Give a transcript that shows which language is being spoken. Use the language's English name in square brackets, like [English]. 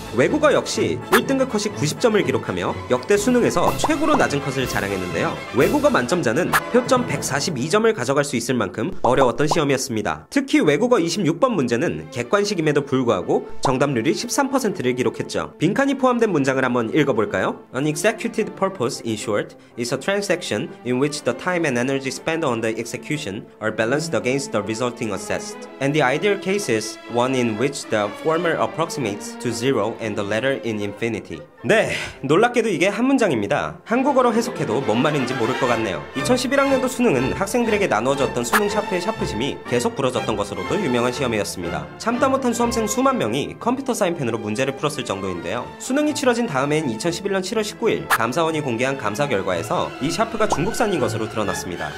[Korean] 외국어 역시 1등급 컷이 90점을 기록하며 역대 수능에서 최고로 낮은 컷을 자랑했는데요. 외국어 만점자는 표점 142점을 가져갈 수 있을 만큼 어려웠던 시험이었습니다. 특히 외국어 26번 문제는 객관식임에도 불구하고 정답률이 13%를 기록했죠. 빈칸이 포함된 문장을 한번 읽어볼까요? [English] An executed purpose, in short, is a transaction in which the time and energy spent on the execution are balanced against the resulting assessed. And the ideal case is one in which the former approximates to zero and the latter in infinity. [Korean] 네, 놀랍게도 이게 한 문장입니다. 한국어로 해석해도 뭔 말인지 모를 것 같네요. 2011학년도 수능은 학생들에게 나누어졌던 수능 샤프의 샤프심이 계속 부러졌던 것으로도 유명한 시험이었습니다. 참다 못한 수험생 수만 명이 컴퓨터 사인펜으로 문제를 풀었을 정도인데요. 수능이 치러진 다음엔 2011년 7월 19일 감사원이 공개한 감사 결과에서 이 샤프가 중국산인 것으로 드러났습니다.